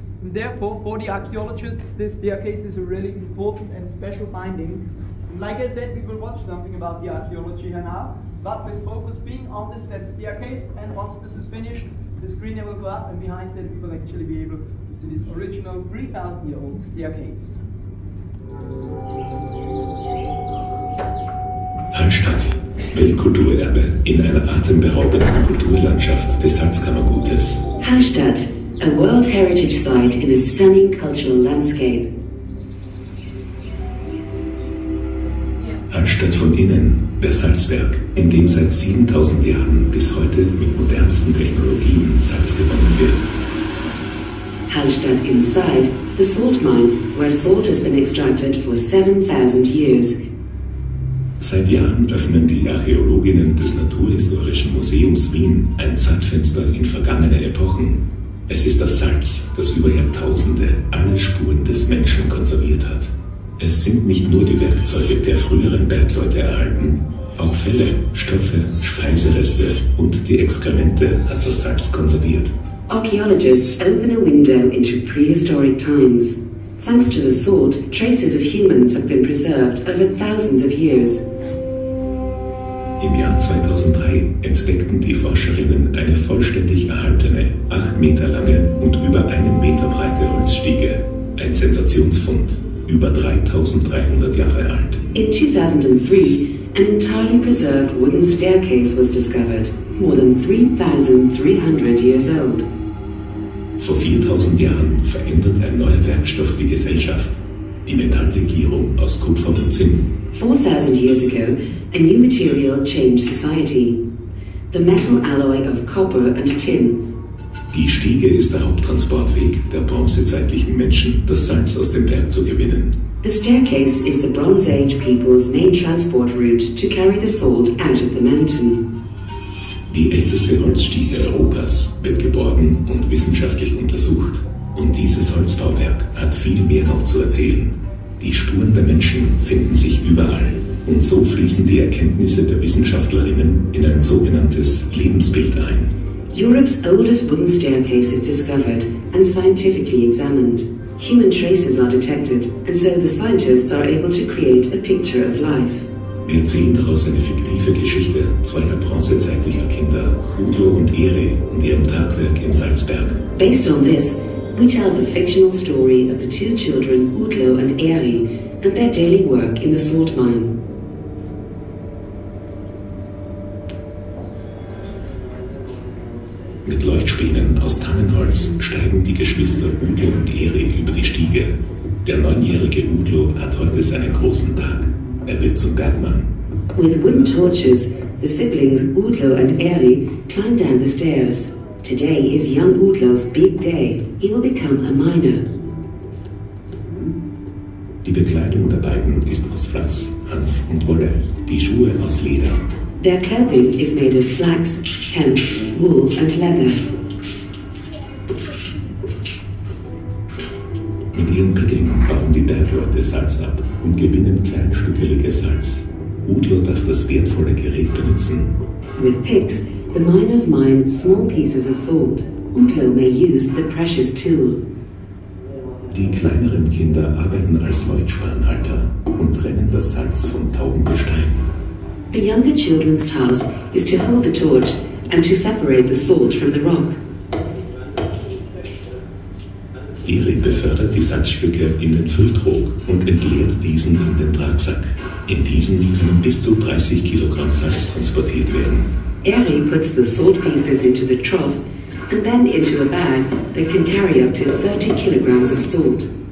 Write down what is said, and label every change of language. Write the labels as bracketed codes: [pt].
[en] And therefore, for the archaeologists, this staircase is a really important and special finding. And like I said, we will watch something about the archaeology here now, but with focus being on this said staircase, and once this is finished, the screen will go up, and behind that we will actually be able to see this original 3,000-year-old staircase. [de] Hallstatt, Weltkulturerbe in einer atemberaubenden Kulturlandschaft des Salzkammergutes. [en] Hallstatt, a World Heritage Site in a stunning cultural landscape. [de] Hallstatt von innen, der Salzberg, in dem seit 7000 Jahren bis heute mit modernsten Technologien Salz gewonnen wird. [en] Hallstatt inside, the salt mine, where salt has been extracted for 7000 years. [de] Seit Jahren öffnen die Archäologinnen des Naturhistorischen Museums Wien ein Zeitfenster in vergangene Epochen. Es ist das Salz, das über Jahrtausende alle Spuren des Menschen konserviert hat. Es sind nicht nur die Werkzeuge der früheren Bergleute erhalten. Auch Felle, Stoffe, Speisereste und die Exkremente hat das Salz konserviert. [en] Archaeologists open a window into prehistoric times. Thanks to the salt, traces of humans have been preserved over thousands of years. [de] Im Jahr 2003 entdeckten die Forscherinnen eine vollständig erhaltene, 8 Meter lange und über einen Meter breite Holzstiege. Ein Sensationsfund, über 3300 Jahre alt. [en] In 2003, an entirely preserved wooden staircase was discovered, more than 3300 years old. [de] Vor 4000 Jahren verändert ein neuer Werkstoff die Gesellschaft, die Metalllegierung aus Kupfer und Zinn. [en] 4000 years ago, a new material changed society. The metal alloy of copper and tin. [de] Die Stiege ist der Haupttransportweg der bronzezeitlichen Menschen, das Salz aus dem Berg zu gewinnen. [en] The staircase is the Bronze Age people's main transport route to carry the salt out of the mountain. [de] Die älteste Holzstiege Europas wird geborgen und wissenschaftlich untersucht. Und dieses Holzbauwerk hat viel mehr noch zu erzählen. Die Spuren der Menschen finden sich überall. Und so fließen die Erkenntnisse der Wissenschaftlerinnen in ein sogenanntes Lebensbild ein. [en] Europe's oldest wooden staircase is discovered and scientifically examined. Human traces are detected and so the scientists are able to create a picture of life. [de] Wir erzählen daraus eine fiktive Geschichte zweier bronzezeitlicher Kinder, Udo und Ere, und ihrem Tagwerk im Salzberg. [en] Based on this, we tell the fictional story of the two children, Udo and Ere, and their daily work in the salt mine. [de] Mit Leuchtspänen aus Tannenholz steigen die Geschwister Udo und Ere über die Stiege. Der 9-jährige Udo hat heute seinen großen Tag. Er wird zum Bergmann. [en] With wooden torches, the siblings Udo and Eri climb down the stairs. Today is young Udlo's big day. He will become a miner. [de] Die Bekleidung der beiden ist aus Flachs, Hanf und Wolle. Die Schuhe aus Leder. [en] Their clothing is made of flax, hemp, wool and leather. [de] Mit ihren Pickeln bauen die Bergleute Salz ab und gewinnen kleinstückeliges Salz. Udo darf das wertvolle Gerät benutzen. [en] With picks, the miners mine small pieces of salt. Udo may use the precious tool. [de] Die kleineren Kinder arbeiten als Leuchtspanhalter und trennen das Salz vom Taubengestein. [en] The younger children's task is to hold the torch and to separate the salt from the rock. [de] Eri befördert die Salzstücke in den Fülltrog und entleert diesen in den Tragsack. In diesen können bis zu 30 Kilogramm Salz transportiert werden. [en] Eri puts the salt pieces into the trough and then into a bag that can carry up to 30 kilograms of salt.